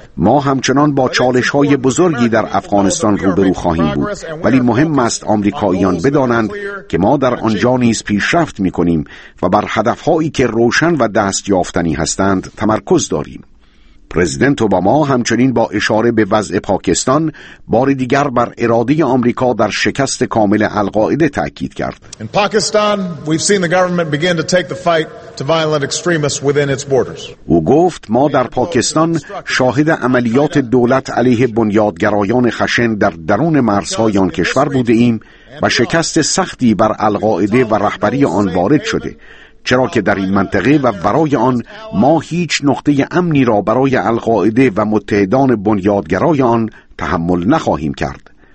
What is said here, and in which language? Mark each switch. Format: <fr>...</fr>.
<fa>ما همچنان با چالش‌های بزرگی در افغانستان روبرو خواهیم بود، ولی مهم است آمریکاییان بدانند که ما در آنجا نیز پیشرفت می‌کنیم و بر هدف‌هایی که روشن و دست‌یافتنی هستند تمرکز داریم. پرزیدنت اوباما همچنین با اشاره به وضع پاکستان بار دیگر بر اراده آمریکا در شکست کامل القاعده تاکید کرد.</fa> <en>In Pakistan, we've seen the government begin to take the fight to violent extremists within its borders.</en> <fa>او گفت ما در پاکستان شاهد عملیات دولت علیه بنیادگرایان خشن در درون مرزهای آن کشور بوده ایم و شکست سختی بر القاعده و رهبری آن وارد شده. چرا که در این منطقه و برای آن ما هیچ نقطه امنی را برای القاعده و متحدان بنیادگرای آن تحمل نخواهیم کرد.</fa>